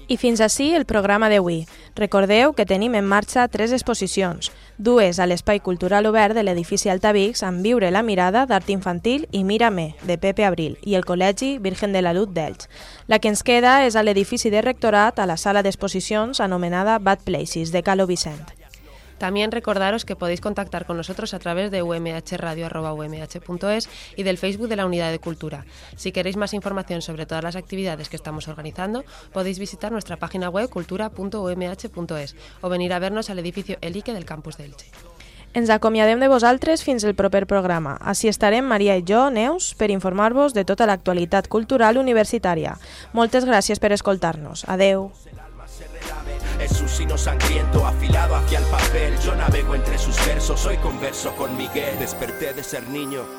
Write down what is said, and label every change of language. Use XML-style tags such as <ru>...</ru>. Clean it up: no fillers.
<ca>I fins ací el programa d'avui. Recordeu que tenim en marxa 3 exposicions, 2 a l'Espai Cultural Obert de l'edifici Altavix amb Viure la mirada d'art infantil i Mírame, de Pepe Abril, i el Col·legi Virgen de la Luz d'Elx. La que ens queda és a l'edifici de rectorat a la sala d'exposicions anomenada Bad Places, de Calo Vicent.</ca> <es>También recordaros que podéis contactar con nosotros a través de umhradio@umh.es y del Facebook de la Unidad de Cultura. Si queréis más información sobre todas las actividades que estamos organizando, podéis visitar nuestra página web cultura.umh.es o venir a vernos al edificio Elique del campus de Elche.</es> <ca>Ens acomiadem de vosaltres fins al proper programa. Així estarem Maria i jo, Neus, per informar-vos de tota l'actualitat cultural universitària. Moltes gràcies per escoltar-nos. Adeu.</ca> <es>Es un sino sangriento afilado hacia el papel. Yo navego entre sus versos, hoy converso con Miguel. Desperté de ser niño.</es>